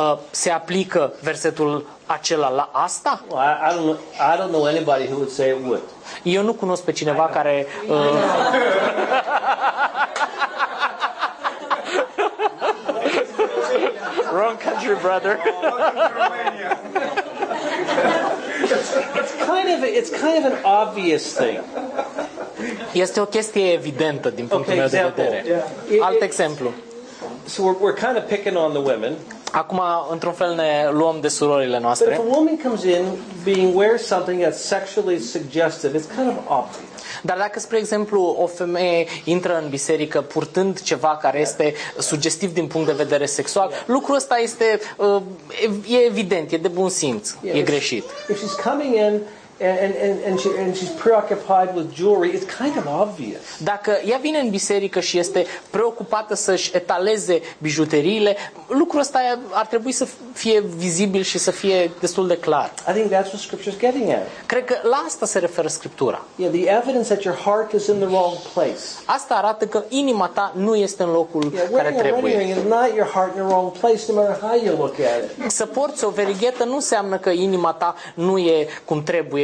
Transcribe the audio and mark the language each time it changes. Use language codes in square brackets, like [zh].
[ro] Se aplică versetul acela la asta? [en] Well, I don't know anybody who would say it would. [ro] Eu nu cunosc pe cineva care [en] Wrong country, brother. It's kind of an obvious thing. [ro] Este o chestie evidentă din punctul [en] okay, [ro] meu de vedere. [en] Yeah. [ro] Alt exemplu. [en] So we're kind of picking on the women. [ro] Acum într-un fel ne luăm de surorile noastre. [en] But if a woman comes in being wear something that's sexually suggestive, it's kind of obvious. [ro] Dar dacă spre exemplu o femeie intră în biserică purtând ceva care este sugestiv din punct de vedere sexual, lucrul ăsta este e evident, e de bun simț, e greșit. [en] If she's coming in and she's preoccupied with jewelry, it's kind of obvious. [ro] Dacă ea vine în biserică și este preocupată să-și etaleze bijuteriile, lucrul ăsta ar trebui să fie vizibil și să fie destul de clar. [en] I think that's what scripture's getting at. [ro] Cred că la asta se referă Scriptura. [en] Yeah, the evidence that your heart is in the wrong place. [ro] Asta arată că inima ta nu este în locul care trebuie. [en] Not your heart in the wrong place, no matter how you look at it. [ro] Să porți o verighetă nu înseamnă că inima ta nu e cum trebuie.